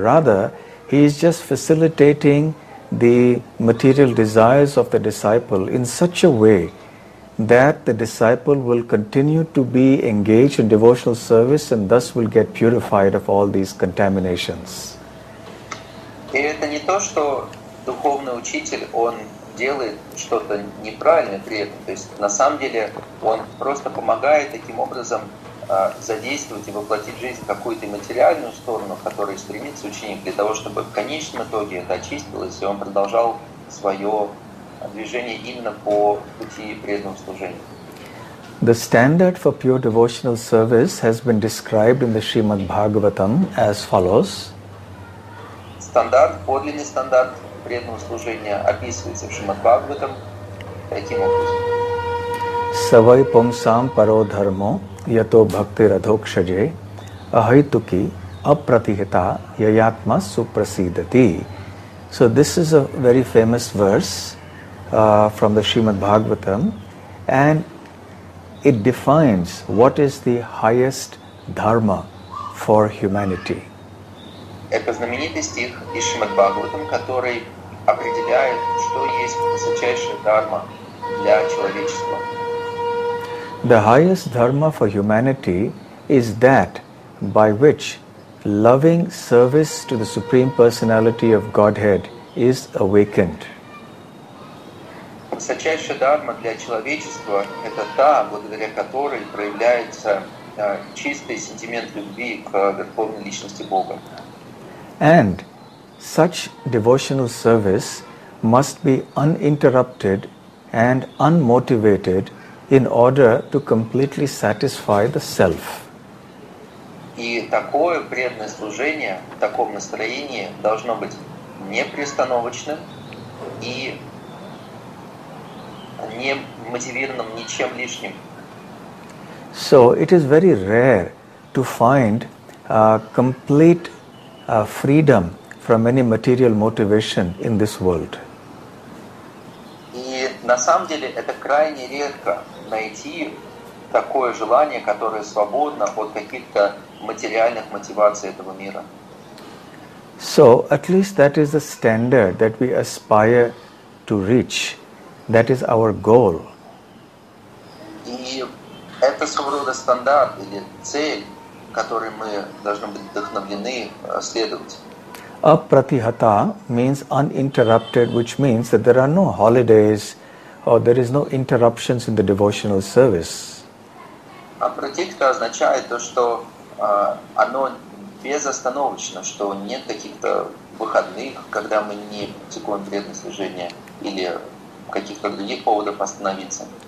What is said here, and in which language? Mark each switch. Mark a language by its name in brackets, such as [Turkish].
[English] Rather, he is just facilitating the material desires of the disciple in such a way that the disciple will continue to be engaged in devotional service and thus will get purified of all these contaminations. [Russian] И это не то, что духовный учитель, он делает что-то неправильное при этом. То есть, на самом деле, он просто помогает таким образом задействовать и воплотить в жизнь какую-то материальную сторону, к которой стремится ученик, для того, чтобы в конечном итоге это очистилось, и он продолжал свое движение именно по пути преданного служения. [English] The standard for pure devotional service has been described in the Srimad Bhagavatam as follows. [Russian] Стандарт, подлинный стандарт преданного служения описывается в Шримад Бхагаватам таким образом. [Sanskrit] Савай пумсам паро дхармо ято бхактир адхокшаже ахайтуки апратихита яятма супрасидати. [English] So this is a very famous verse from the Srimad Bhagavatam, and it defines what is the highest dharma for humanity. [Russian] Это знаменитый стих из Шримад Бхагаватам, который определяет, что есть высочайшая дхарма для человечества. [English] The highest dharma for humanity is that by which loving service to the Supreme Personality of Godhead is awakened. [Russian] Высочайшая дхарма для человечества – это та, благодаря которой проявляется чистый сентимент любви к Верховной Личности Бога. [English] And such devotional service must be uninterrupted and unmotivated in order to completely satisfy the self. [Russian] И такое преданное служение в таком настроении должно быть непрестановочным и не мотивированным ничем лишним. [English] So it is very rare to find complete freedom from any material motivation in this world. [Russian] И на самом деле это крайне редко найти такое желание, которое свободно от каких-то материальных мотиваций этого мира. [English] So at least that is the standard that we aspire to reach. That is our goal. [Russian] И это своего рода стандарт или цель, которой мы должны быть вдохновлены следовать. [English] Апратихата means uninterrupted, which means that there are no holidays or there is no interruptions in the devotional service. [Russian] Апратихата означает то, что оно безостановочно, что нет каких-то выходных, когда мы не практикуем преданное служение или каких-то других поводов остановиться.